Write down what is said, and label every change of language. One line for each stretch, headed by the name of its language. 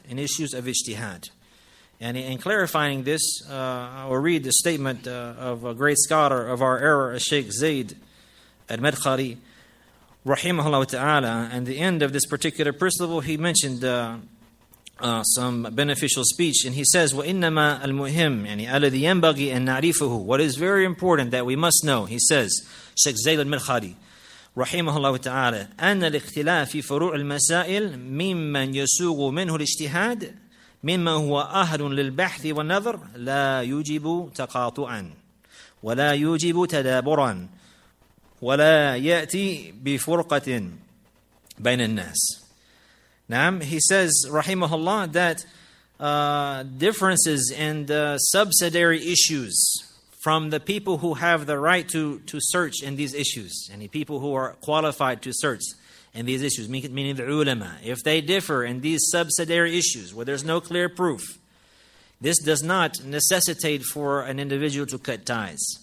English: In issues of ijtihad. And in clarifying this, I will read the statement of a great scholar of our era, Sheikh Zayd al-Madkhali, rahimahullah ta'ala. And the end of this particular principle, he mentioned some beneficial speech. And he says,
Arabic: وَإِنَّمَا الْمُهِمِ يعني الَّذِي يَنْبَغِي أَنْ نَعْرِفُهُ.
English: What is very important that we must know, he says, Sheikh Zayd al-Madkhali, rahimahullah ta'ala,
Arabic: أَنَّ الْإِخْتِلَافِ فِي فُرُوعِ الْمَسَائِلِ مِمَّنْ يَسُوغُ مِنْهُ الْإِجْتِهَادِ مما هو أهل للبحث والنظر لا يجب تقاطعا ولا يجب تدابرا ولا يأتي بفرقة بين الناس. نعم,
English: he says, rahimahullah, that differences and subsidiary issues from the people who have the right to search in these issues, any people who are qualified to search in these issues, meaning the ulama. If they differ in these subsidiary issues where there's no clear proof, this does not necessitate for an individual to cut ties.